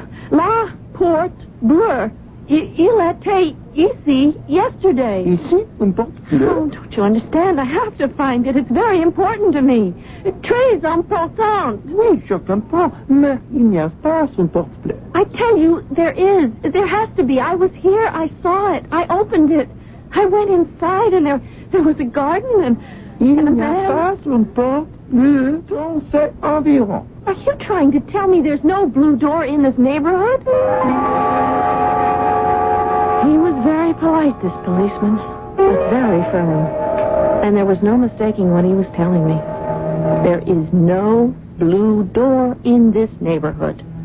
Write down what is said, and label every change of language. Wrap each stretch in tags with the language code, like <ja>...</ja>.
<fr>La porte bleue, il était ici</fr> <en>yesterday.</en> <fr>Ici, une porte bleue?</fr> <en>Oh, don't you understand? I have to find it. It's very important to me.</en> <fr>Très important. Oui, je comprends. Mais il n'y a pas une porte bleue.</fr> <en>I tell you, there is. There has to be. I was here. I saw it. I opened it. I went inside and there was a garden and</en> <fr>il</fr> <en>and a bed.</en> <fr>Il n'y a pas une porte bleue dans cet environ.</fr> <en>Are you trying to tell me there's no blue door in this neighborhood? He was very polite, this policeman, but very firm. And there was no mistaking what he was telling me. There is no blue door in this neighborhood.</en>